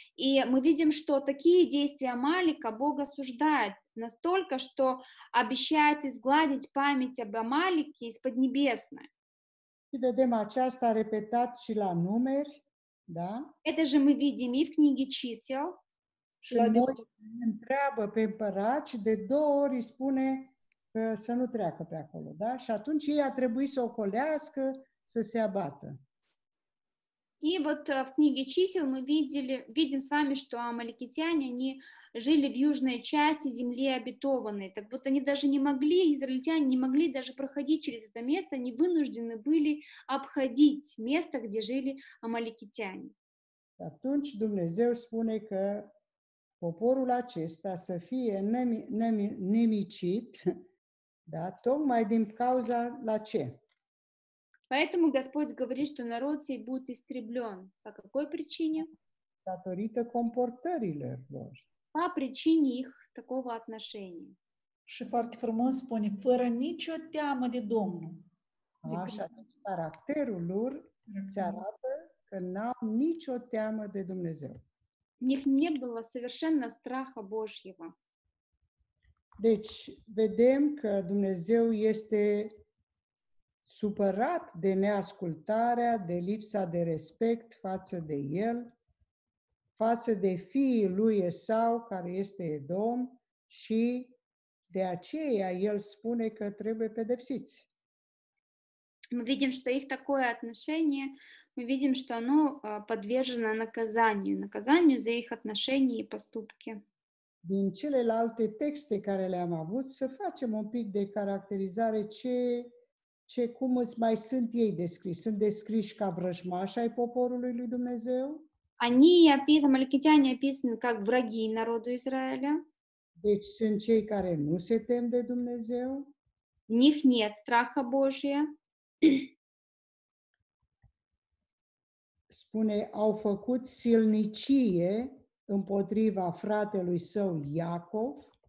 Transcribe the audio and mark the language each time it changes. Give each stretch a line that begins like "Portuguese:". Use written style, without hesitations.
Russian: И мы видим, что такие действия Амалека Бог осуждает настолько, что обещает изгладить память об Амалеке из Поднебесной. И видим,
Romanian: часто репетат и на Нумер.
Russian: Да? Это же мы видим и в книге чисел.
Romanian: Întreabă pe împărat și de două ori spune că să nu treacă pe acolo, da? Și atunci ei a trebuit să ocolească, să se abată.
Russian: И вот в книге чисел мы видим с вами, что амаликитяне, они жили в южной части земли обетованной. Так вот они даже не могли, израильтяне не могли даже проходить через это место, они вынуждены были обходить место, где жили амаликитяне.
Romanian: Atunci Dumnezeu spune că poporul acesta să fie nemicit, da, tocmai din cauza la ce?
Russian: Поэтому Господь говорит, что народ сей будет истреблен. По какой причине?
Romanian: Datorită comportărilor lor.
Russian: По причине их такого отношения.
Romanian: Și foarte frumos spune, fără nicio teamă de Domnul. Așa, deci caracterul lor îți arată că n-au nicio teamă de Dumnezeu.
Russian: В них не было совершенно страха Божьего.
Romanian: Deci, vedem că Dumnezeu este supărat de neascultarea, de lipsa de respect față de el, față de fiii lui Esau, care este Edom, și de aceea el spune că trebuie pedepsiți.
Russian: Мы видим, что их такое отношение, мы видим, что оно подвержено наказанию, за их отношения и поступки.
Romanian: Din celelalte texte care le-am avut, să facem un pic de caracterizare ce cum mai sunt ei descriși? Sunt descriși ca vrăjmași ai poporului lui Dumnezeu?
Russian: Они описаны, амалекитяне описаны как враги народу Израиля.
Romanian: Deci sunt cei care nu se tem de Dumnezeu?
Russian: В них нет страха Божия.
Romanian: Spune, au făcut silnicie împotriva fratelui său Iacov.